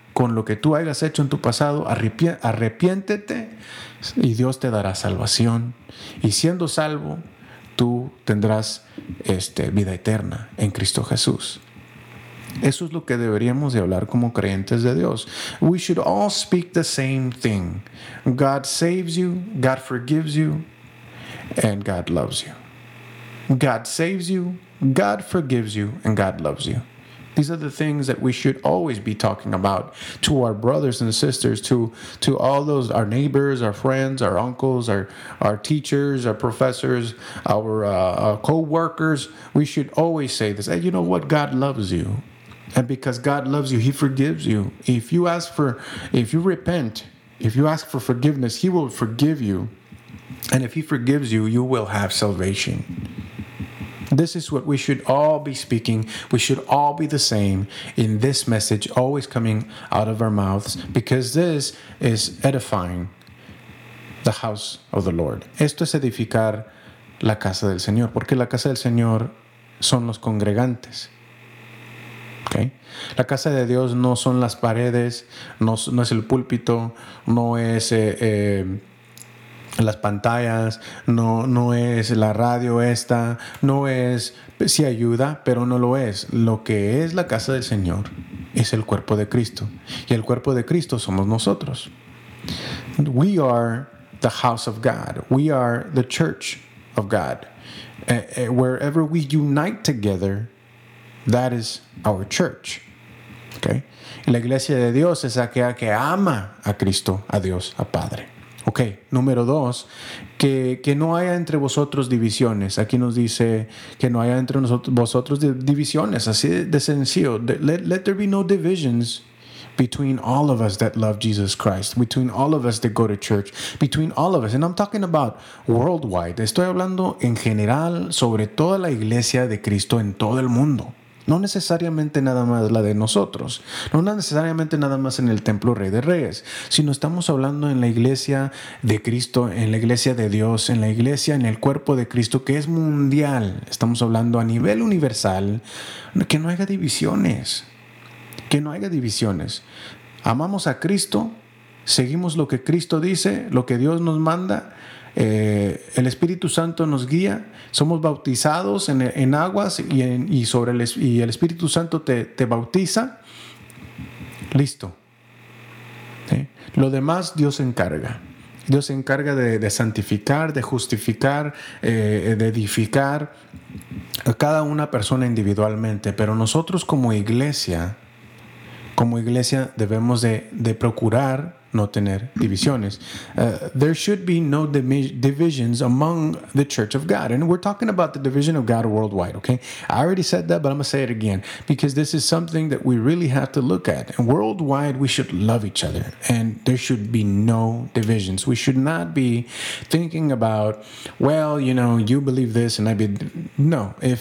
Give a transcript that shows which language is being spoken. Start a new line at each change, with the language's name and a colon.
Spanish: con lo que tú hayas hecho en tu pasado, arrepiéntete y Dios te dará salvación. Y siendo salvo, tú tendrás vida eterna en Cristo Jesús. Eso es lo que deberíamos de hablar como creyentes de Dios.
English: We should all speak the same thing. God saves you, God forgives you, and God loves you. God saves you, God forgives you, and God loves you. These are the things that we should always be talking about to our brothers and sisters, to all those, our neighbors, our friends, our uncles, our teachers, our professors, our co-workers. We should always say this. Hey, you know what? God loves you. And because God loves you, He forgives you. If you ask for forgiveness, He will forgive you. And if He forgives you, you will have salvation. This is what we should all be speaking. We should all be the same in this message, always coming out of our mouths, because this is edifying the house of the Lord.
Spanish: Esto es edificar la casa del Señor, porque la casa del Señor son los congregantes. Okay. La casa de Dios no son las paredes, no es el púlpito, no es las pantallas, no es la radio esta, no es, sí ayuda, pero no lo es. Lo que es la casa del Señor es el cuerpo de Cristo, y el cuerpo de Cristo somos nosotros.
English: We are the house of God. We are the church of God. Wherever we unite together, that is our church. Okay?
Spanish: La iglesia de Dios es aquella que ama a Cristo, a Dios, a Padre. Okay, número dos, que no haya entre vosotros divisiones. Aquí nos dice que no haya entre vosotros divisiones. Así de sencillo.
English: Let there be no divisions between all of us that love Jesus Christ, between all of us that go to church, between all of us. And I'm talking about worldwide.
Spanish: Estoy hablando en general sobre toda la iglesia de Cristo en todo el mundo. No necesariamente nada más la de nosotros, no necesariamente nada más en el templo Rey de Reyes, sino estamos hablando en la iglesia de Cristo, en la iglesia de Dios, en la iglesia, en el cuerpo de Cristo, que es mundial. Estamos hablando a nivel universal, que no haya divisiones, que no haya divisiones. Amamos a Cristo, seguimos lo que Cristo dice, lo que Dios nos manda. El Espíritu Santo nos guía, somos bautizados en aguas y el Espíritu Santo te bautiza, listo. ¿Sí? Lo demás Dios se encarga. Dios se encarga de santificar, de justificar, de edificar a cada una persona individualmente. Pero nosotros como iglesia debemos de procurar no tener divisiones.
English: There should be no divisions among the church of God. And we're talking about the division of God worldwide, okay? I already said that, but I'm going to say it again. Because this is something that we really have to look at. And worldwide, we should love each other. And there should be no divisions. We should not be thinking about, well, you know, you believe this and I believe... No.